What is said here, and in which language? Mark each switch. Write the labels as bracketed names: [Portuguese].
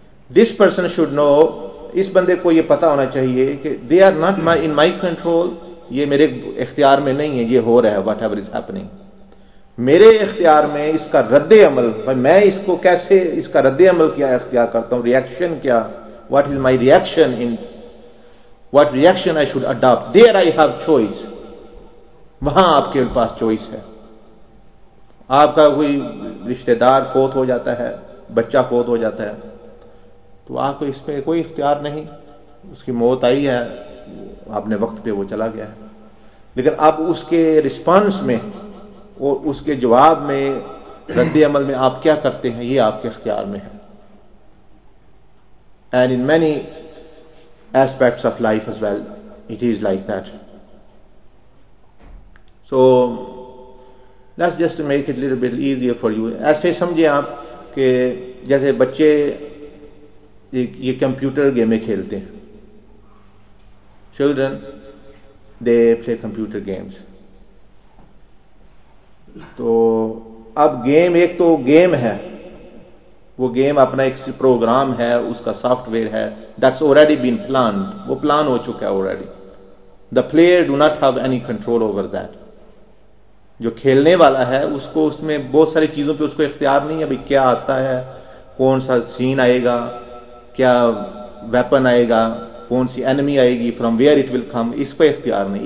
[Urdu] This person should know, اس بندے کو یہ پتا ہونا چاہیے کہ they are not in my control, یہ میرے اختیار میں نہیں ہے, یہ ہو رہا ہے, واٹ ایور از ہیپننگ, میرے اختیار میں اس کا رد عمل, میں اس کو کیسے اس کا رد عمل کیا اختیار کرتا ہوں, ریئیکشن کیا, [English] what is my reaction in, what reaction I should adopt. There I have choice. [Urdu] وہاں آپ کے پاس choice ہے. آپ کا کوئی رشتہ دار فوت ہو جاتا ہے, بچہ فوت ہو جاتا ہے, تو آپ کو اس میں کوئی اختیار نہیں, اس کی موت آئی ہے, آپ نے وقت پہ وہ چلا گیا ہے. لیکن آپ اس کے رسپانس میں اور اس کے جواب میں, رد عمل میں آپ کیا کرتے ہیں, یہ آپ کے اختیار میں ہے. [English] And in many aspects of life as well it is like that. So let's just make it little bit easier for you. [Urdu] ایسے سمجھیں آپ کہ جیسے بچے یہ کمپیوٹر گیمیں کھیلتے ہیں. [English] Children they play computer games. [Urdu] تو اب گیم ایک تو گیم ہے, وہ گیم اپنا ایک پروگرام ہے, اس کا سافٹ ویئر ہے, دیٹس آلریڈی بین پلانڈ, وہ پلان ہو چکا ہے already. The player do not have any control over that. جو کھیلنے والا ہے اس کو اس میں بہت ساری چیزوں پہ اس کو اختیار نہیں ہے, ابھی کیا آتا ہے, کون سا سین آئے گا, کیا ویپن آئے گا, کون سی اینمی آئے گی, فرام ویئر اٹ ول کم, اس پہ اختیار نہیں.